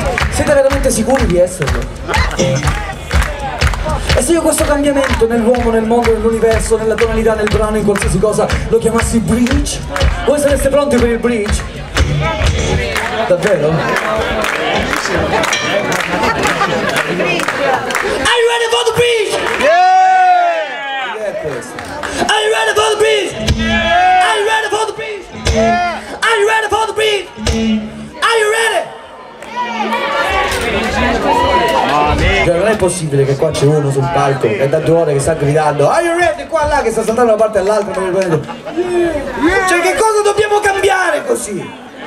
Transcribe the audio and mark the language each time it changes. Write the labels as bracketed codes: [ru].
[it] Siete veramente sicuri di esserlo? E se io questo cambiamento nell'uomo, nel mondo, nell'universo, nella tonalità, nel brano, in qualsiasi cosa, lo chiamassi bridge? Voi sareste pronti per il bridge? Davvero? [en] Are you ready for the bridge? Yeah! Are you ready for the bridge? Yeah! Are you ready for the bridge? Yeah! Are you ready for the bridge? Are you ready? [it] Cioè, non è possibile che qua c'è uno sul palco e da due ore che sta gridando [en] "Are you ready?" [it] qua là che sta saltando da una parte all'altra. Cioè, che cosa dobbiamo cambiare così?